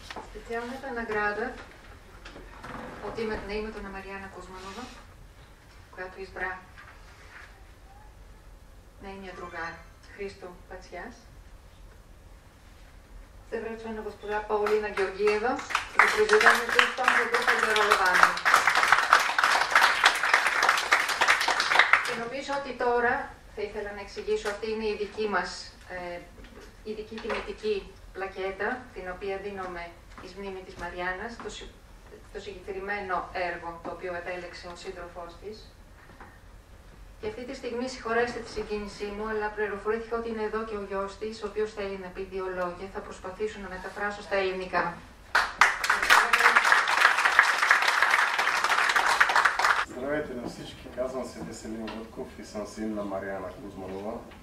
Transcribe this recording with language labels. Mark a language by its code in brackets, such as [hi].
[bg] Специалната награда от името на Мариана Кузманова, която избра нейният другар Христо Пациас, се връчва на госпожа Паулина Георгиева за произведението и том за група за ролевани. [el] Και νομίζω ότι τώρα θα ήθελα να εξηγήσω αυτή είναι η δική μας ειδική τιμητική πλακέτα, την οποία δίνουμε εις μνήμη της Μαριάνας, το συγκεκριμένο έργο το οποίο επέλεξε ο σύντροφός της. Και αυτή τη στιγμή συγχωρέστε τη συγκίνησή μου, αλλά πληροφορήθηκα ότι είναι εδώ και ο γιος της, ο οποίος θέλει να πει δύο λόγια. Θα προσπαθήσω να μεταφράσω στα ελληνικά. [bg] Здравейте на всички, казвам се Веселин Вътков и съм син на Мариана Кузманова.